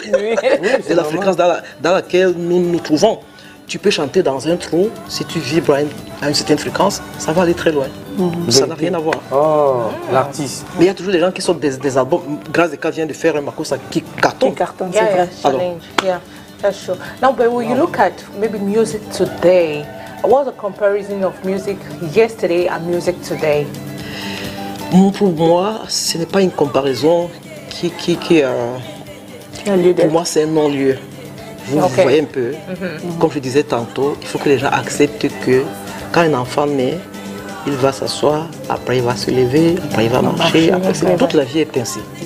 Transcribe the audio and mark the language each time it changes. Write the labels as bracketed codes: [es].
[fr] Oui, de la fréquence dans laquelle nous nous trouvons. Tu peux chanter dans un trou, si tu vibres à une certaine fréquence, ça va aller très loin. Ça n'a rien à voir. Oh, l'artiste. Mais il y a toujours des gens qui sortent des albums. Grâce à K vient de faire un Makosa qui cartonne. Qui cartonne, c'est vrai. Challenge. [en] Yeah, that's sure. Now, but when you look at maybe music today, what's the comparison of music yesterday and music today? [fr] Pour moi, ce n'est pas une comparaison qui a lieu d'être. Pour moi, c'est un non-lieu. Vous voyez un peu, comme je disais tantôt, il faut que les gens acceptent que quand un enfant naît, il va s'asseoir, après il va se lever, après il va marcher, toute la vie est ainsi.